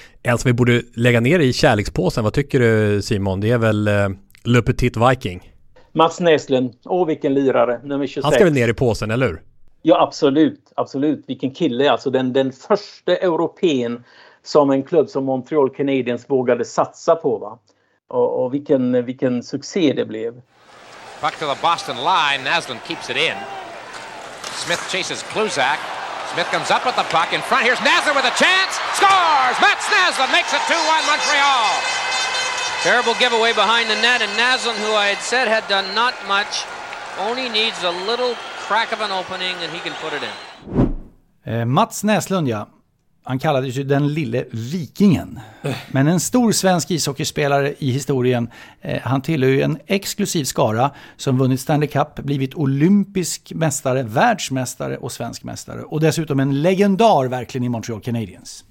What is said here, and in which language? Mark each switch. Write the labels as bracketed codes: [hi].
[sv] Alltså, vi borde lägga ner i kärlekspåsen. Vad tycker du, Simon? Det är väl Le Petit Viking? Mats Näslund, åh vilken lirare, nummer 26. Han ska väl ner i påsen, eller hur? Ja, absolut, absolut. Vilken kille, alltså den första europeen som en klubb som Montreal Canadiens vågade satsa på, va? Och vilken succé det blev. [en] Back to the Boston line, Näslund keeps it in. Smith chases Kluzak. Smith comes up with the puck in front. Here's Näslund with a chance. Scores! Mats Näslund makes it 2-1 Montreal. Terrible giveaway behind the net, and Näslund, who I had said had done not much, only needs a little crack of an opening and he can put it in. [sv] Mats Näslund, ja. Han kallades ju den lille vikingen. Men en stor svensk ishockeyspelare i historien. Han tillhör ju en exklusiv skara som vunnit Stanley Cup, blivit olympisk mästare, världsmästare och svensk mästare. Och dessutom en legendar verkligen i Montreal Canadiens.